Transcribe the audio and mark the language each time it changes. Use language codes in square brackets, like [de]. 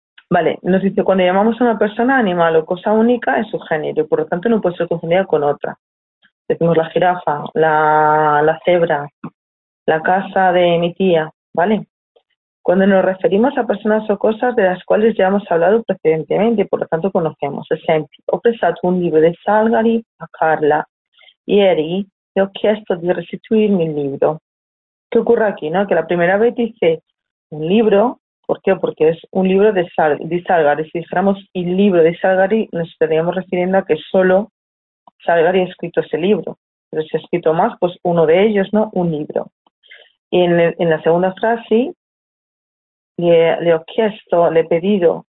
[es] Vale, nos dice, cuando llamamos a una persona animal o cosa única en su género, y por lo tanto no puede ser confundida con otra. Decimos la jirafa, la cebra, la casa de mi tía, ¿vale? Cuando nos referimos a personas o cosas de las cuales ya hemos hablado precedentemente, por lo tanto conocemos. [it] Esempio, ho prestato un libro de Salgari a Carla. Ieri, le ho chiesto di restituirmi il libro. [es] ¿Qué ocurre aquí, no? Que la primera vez dice un libro. ¿Por qué? Porque es un libro de Salgari. Si dijéramos el libro de Salgari, nos estaríamos refiriendo a que solo Salgari ha escrito ese libro. Pero si ha escrito más, pues uno de ellos, ¿no? Un libro. Y en la segunda frase, le he pedido